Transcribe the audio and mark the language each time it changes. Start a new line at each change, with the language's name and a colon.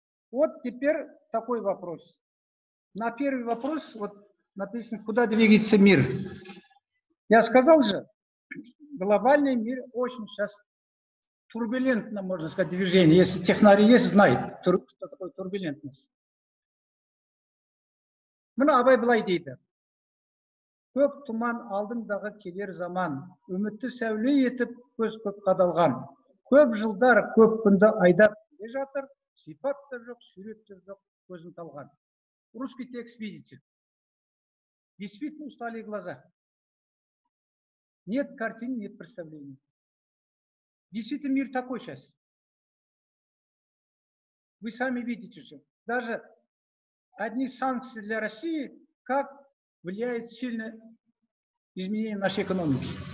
Russian: Вот теперь такой вопрос. На первый вопрос вот написано, куда двигается мир. Я сказал же, глобальный мир очень сейчас турбулентно, можно сказать, движение. Если технари есть, знает, что такое турбулентность.
Kazakh: Ну, Абай былай дейді. Көп туман алдыңдағы келер заман, үмітті сәуле етіп көз көп қадалған. Көп жылдар, көп күнді айдап келе жатыр, сипат та жоқ, сүрет те жоқ, көзін талған.
Russian: Русский текст видите. Действительно устали глаза. Нет картин, нет представлений. Действительно мир такой сейчас. Вы сами видите же. Даже одни санкции для России, как влияет сильно изменение нашей экономики.